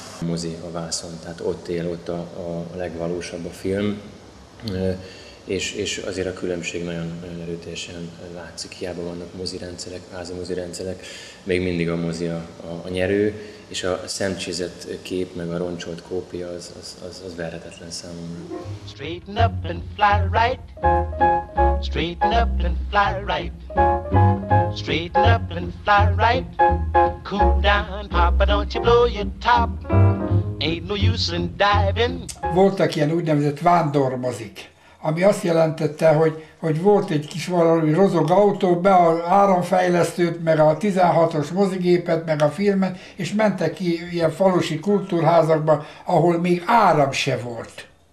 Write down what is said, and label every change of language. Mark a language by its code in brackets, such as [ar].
[hu] A mozi a vászon, tehát ott él, ott a legvalósabb a film, és azért a különbség nagyon, nagyon erőteljesen látszik. Hiába vannak mozirendszerek, házi mozirendszerek, még mindig a mozi a nyerő, és a szemcsizett kép meg a roncsolt kópia az verhetetlen számomra. [en] Straighten up and fly right. Straighten up and fly right. Straighten up and fly right. Cool down, papa, don't you blow your top. Ain't no use in diving. [hu] Voltak ilyen úgynevezett vándormozik, ami azt jelentette, hogy volt egy kis valami rozog autó, be a áramfejlesztőt, meg a 16-os mozigépet, meg a filmet, és mentek ki ilyen falusi kultúrházakba, ahol még áram se volt.